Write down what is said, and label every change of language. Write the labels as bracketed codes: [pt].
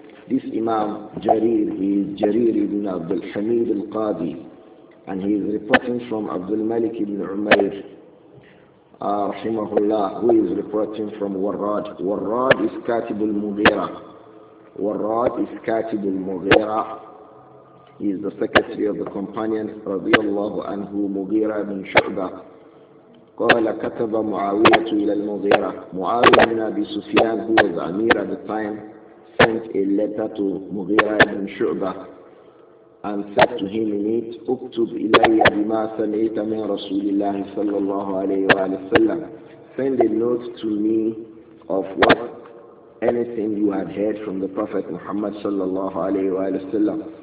[en] This Imam Jarir is Jarir ibn Abdul Hamid al-Qadi, and he is reporting from Abdul Malik ibn Umair, rahimahullah, who is reporting from Warrad. Warrad is Katib al-Mughira. Warrad is Katib al-Mughira. He is the secretary of the companions, radiyallahu anhu, Mughira ibn Shu'bah. [ar] قال كتب معاوية إلى المغيرة. [en] معاوية بن أبي سفيان, who was Amir at the time, sent a letter to Mughira ibn Shu'bah and said to him in it, [ar] اكتب إلي بما سمعت من رسول الله صلى الله عليه وسلم. [en] Send a note to me of what anything you had heard from the Prophet Muhammad صلى الله عليه وسلم.